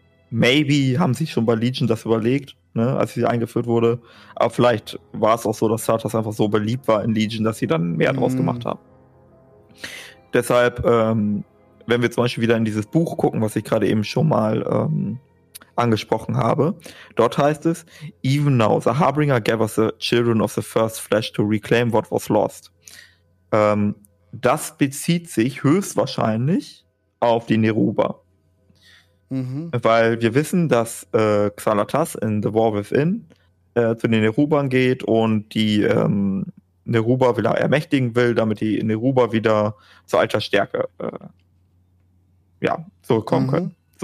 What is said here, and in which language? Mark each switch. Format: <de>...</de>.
<de>Maybe haben sie schon bei Legion das überlegt, ne, als sie eingeführt wurde. Aber vielleicht war es auch so, dass Xalatas einfach so beliebt war in Legion, dass sie dann mehr draus gemacht haben. Deshalb, wenn wir zum Beispiel wieder in dieses Buch gucken, was ich gerade eben schon mal angesprochen habe. Dort heißt es,</de> <en>even now the Harbinger gathers the children of the first flesh to reclaim what was lost.</en> <de>Das bezieht sich höchstwahrscheinlich auf die Neruba. Weil wir wissen, dass Xalatas in The War Within zu den Nerubern geht und die Neruba wieder ermächtigen will, damit die Neruba wieder zur alter Stärke zurückkommen können.</de>